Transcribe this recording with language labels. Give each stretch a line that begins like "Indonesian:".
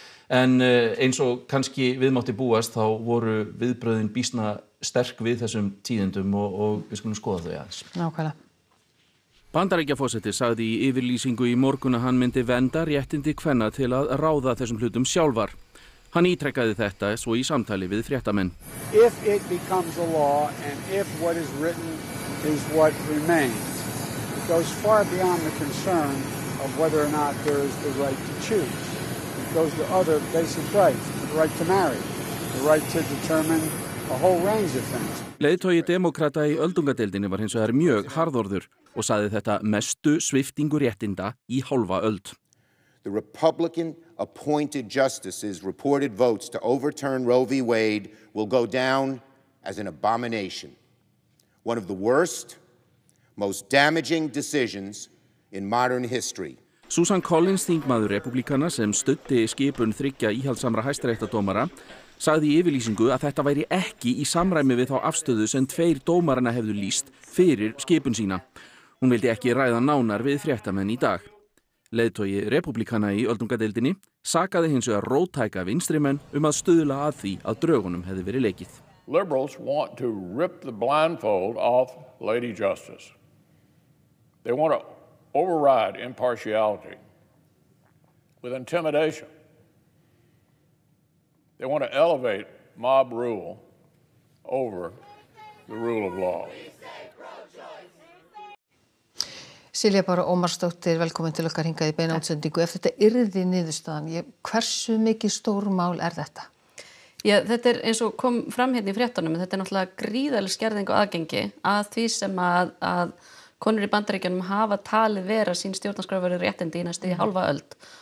Icelandic: En eins og kannski viðmátti búast þá voru viðbrögðin býsna sterk við þessum tíðindum og við skulum skoða þau aðeins. Nákvæmlega. Bandaríkjaforseti sagði í yfirlýsingu í morgun að hann myndi venda réttindi kvenna til að ráða þessum hlutum sjálfar. Hann ítrekkaði þetta svo í samtali við fréttamenn.
English: If it becomes a law and if what is written is what remains, it goes far beyond the concern of whether or not there is the right to choose. It goes to other basic rights, the right to marry, the right to determine a whole range of things.
Icelandic: Leiðtogi demókrata í öldungadeildinni var hins vegar mjög harðorður og sagði þetta mestu sviftingu réttinda í hálfa öld.
English: The Republican appointed justices reported votes to overturn Roe v. Wade will go down as an abomination. One of the worst, most damaging decisions in modern history.
Icelandic: Susan Collins, þingmaður republikana sem studdi skipun þriggja íhaldsamra hæstaréttardómara, sagði í yfirlýsingu að þetta væri ekki í samræmi við þá afstöðu sem tveir dómarana hefðu lýst fyrir skipun sína. Hún vildi ekki ræða nánar við fréttamenn í dag. Leiðtogi republikana í öldungadeildinni sakaði hins vegar róttæka vinstrimenn að stuðla að því að drögunum hefði verið leikið.
English: Liberals want to rip the blindfold off Lady Justice. They want to override impartiality with intimidation. They want to elevate mob rule over the rule of law.
Icelandic: Silja Bára Ómarsdóttir, velkomin til okkar hingað í beina útsendingu. Ef þetta yrði niðurstaðan, hversu mikið stór mál þetta? Já, þetta eins og kom fram hérna í fréttunum, þetta náttúrulega gríðarlega skerðing og aðgengi að því sem að konur í Bandaríkjunum hafa talið vera sín stjórnarskrárvörðu réttindi í næstu í hálfa öld.